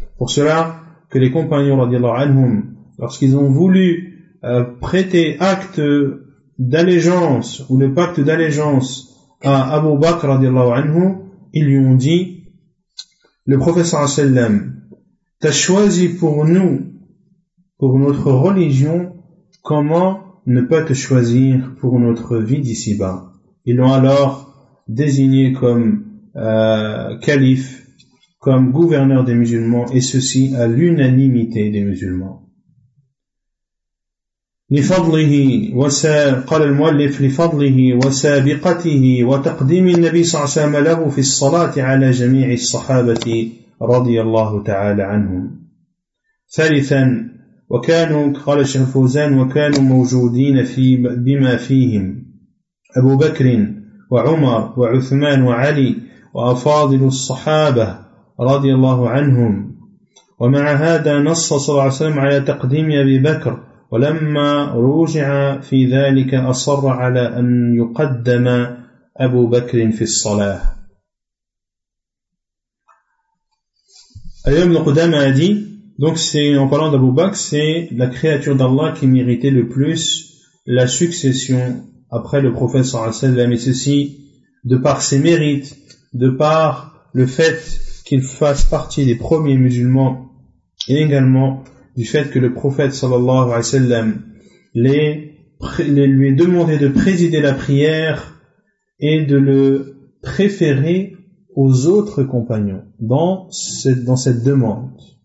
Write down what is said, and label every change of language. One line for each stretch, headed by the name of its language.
French: Pour cela, que les compagnons, radiallahu anhum, lorsqu'ils ont voulu prêter acte d'allégeance ou le pacte d'allégeance à Abu Bakr, radiallahu anhu, ils lui ont dit, le prophète sallallahu alayhi wa sallam, t'as choisi pour nous, pour notre religion, comment ne pas te choisir pour notre vie d'ici-bas. Ils l'ont alors désigné comme calife, comme gouverneur des musulmans, et ceci à l'unanimité des musulmans.
Arabic: لفضله وقال المؤلف لفضله وسابقته وتقديم النبي صلى الله عليه وسلم له في الصلاة على جميع الصحابة رضي الله تعالى عنهم. ثالثا وكانوا قال الشيخ الفوزان وكانوا موجودين في بما فيهم أبو بكر وعمر وعثمان وعلي وأفاضل الصحابة رضي الله عنهم ومع هذا نص صلى الله عليه وسلم على تقديم أبي بكر ولما رجع في ذلك أصر على أن يقدم أبو بكر في الصلاة. أيام القدامى دي.
French: Donc c'est en parlant d'Abu Bakr, c'est la créature d'Allah qui méritait le plus la succession après le prophète صلى الله عليه وسلم. Et ceci de par ses mérites, de par le fait qu'il fasse partie des premiers musulmans et également du fait que le prophète sallallahu alayhi wa sallam lui ait demandé de présider la prière et de le préférer aux autres compagnons dans cette demande.